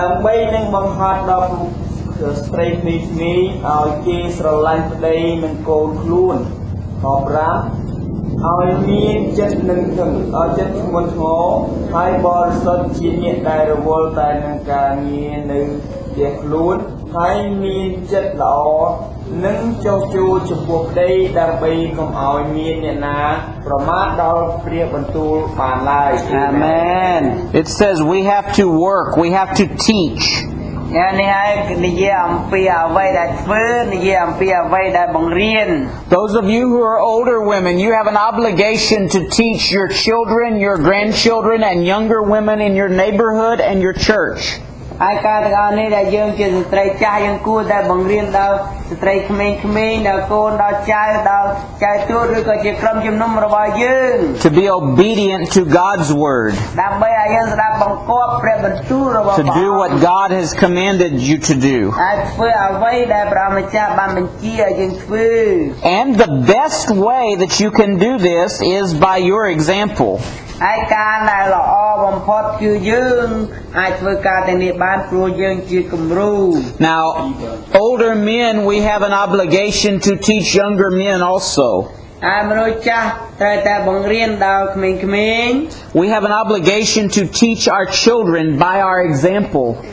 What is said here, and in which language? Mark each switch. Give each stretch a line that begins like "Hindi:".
Khmer: ដើម្បីនឹងបង្ហាត់ដល់ស្រីភីនេះឲ្យគេស្រឡាញ់ប្តីនិងកូនខ្លួនខ5ឲ្យមានចិត្តនឹងធឹងឲ្យចិត្តស្មោះធម៌ហើយបរិសុទ្ធជាអ្នកដែលរវល់តែនឹងការងារនៅផ្ទះខ្លួនហើយមានចិត្តល្អនឹងចោះជួចំពោះប្តីដើម្បីកុំឲ្យមានអ្នកណាប្រមាថដល់ព្រះបន្ទូលបានឡើយ អាមែន
English: It says we have to work, we have to teach.
Khmer: ហើយនេះឯងនិយាយអំពីអ្វីដែលធ្វើនិយាយអំពីអ្វីដែលបង្រៀន
English: Those of you who are older women, you have an obligation to teach your children, your grandchildren and younger women in your neighborhood and your church.
Khmer: អាយកាលទាំងនេះដែលយើងជាស្ត្រីចាស់យើងគួរតែបង្រៀនដល់ស្ត្រីក្មេងក្មេងដល់កូនដល់ចៅដល់ចៅទួតឬក៏ជាក្រុមជំនុំរបស់យើង
English: To be obedient to God's word
Khmer: ដើម្បីឲ្យយើងស្ដាប់បង្គាប់ព្រះបន្ទូលរបស់ព្រះ
English: To do what God has commanded you to do
Khmer: ហើយធ្វើអ្វីដែលព្រះម្ចាស់បានបញ្ជាឲ្យយើងធ្វើ
English: And the best way that you can do this is by your example
Khmer: ហើយការដែលល្អបំផុតគឺយើងអាចធ្វើការទាំងនេះបានព្រោះយើងជាគំរូ
English: Now older men we have an obligation to teach younger men also
Khmer: ហើយមនុស្សចាស់ត្រូវតែបង្រៀនដល់ក្មេង
English: ៗ We have an obligation to teach our children by our example